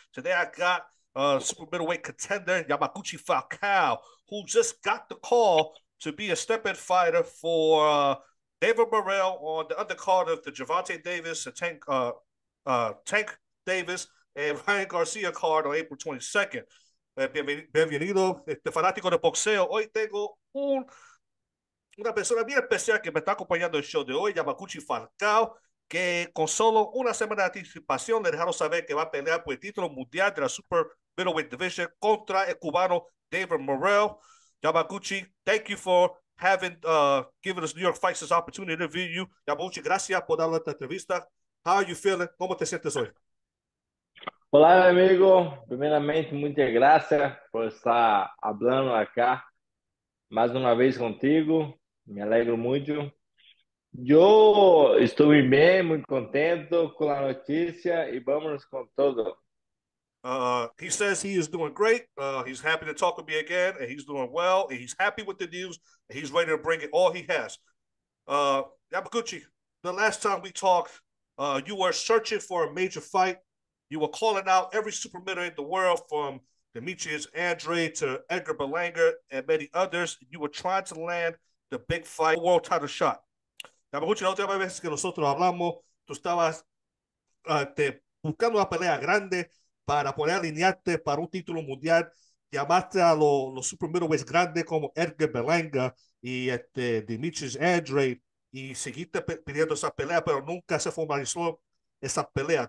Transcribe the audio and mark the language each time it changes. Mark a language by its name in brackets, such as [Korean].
[English] Today I got super middleweight contender Yamaguchi Falcao, who just got the call to be a step-in fighter for David Morrell on the undercard of the Gervonta Davis and Tank Davis and Ryan Garcia card on April 22nd. [Spanish] Bienvenido, este fanático de boxeo. Hoy tengo un... una persona bien especial que me está acompañando el show de hoy, Yamaguchi Falcao, que con solo una semana de anticipación le dejaron saber que va a pelear por el título mundial de la Super Middleweight Division contra el cubano David Morrell. [English] Yamaguchi, thank you for having given us New York Fights this opportunity to interview you. [Spanish] Yamaguchi, gracias por darle esta entrevista. [English] How are you feeling? [Spanish] ¿Cómo te sientes hoy? Hola, amigo. Primeramente, muchas gracias por estar hablando acá. Más una vez contigo, me alegro mucho. Yo estoy bien, muy contento con la noticia y vámonos con todo. [English] He says he is doing great. He's happy to talk with me again, and he's doing well, and he's happy with the news, and he's ready to bring it all he has. Yamaguchi, the last time we talked, you were searching for a major fight. You were calling out every super middleweight in the world from Demetrius Andre to Edgar Belanger and many others. You were trying to land the big fight, world title shot. [Spanish] Yamaguchi, la última vez que nosotros hablamos, tú estabas buscando una pelea grande para poder alinearte para un título mundial. Llamaste a los super middleweights grandes como Edgar Belanger y Demetrius Andre y seguiste pidiendo esa pelea, pero nunca se formalizó esa pelea.